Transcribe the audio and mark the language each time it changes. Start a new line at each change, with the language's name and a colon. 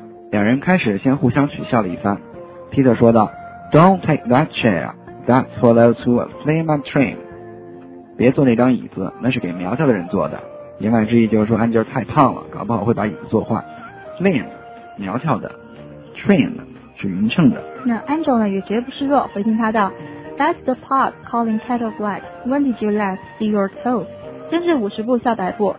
Chinese: 两人开始先互相取笑了一番。
English: Peter
Chinese: 说道
English: ,Don't take that chair, that's for those who are slim and trim.
Chinese: 别坐那张椅子，那是给苗条的人坐的。言外之意就是说 Angel 太胖了，搞不好会把椅子坐坏。Slim, 苗条的。 Trim, 是匀称的。那 Angel 呢也绝不示弱，回应他道，
English: That's the pot calling kettle black. When did you last see your toes?
Chinese: 真是五十步笑百步。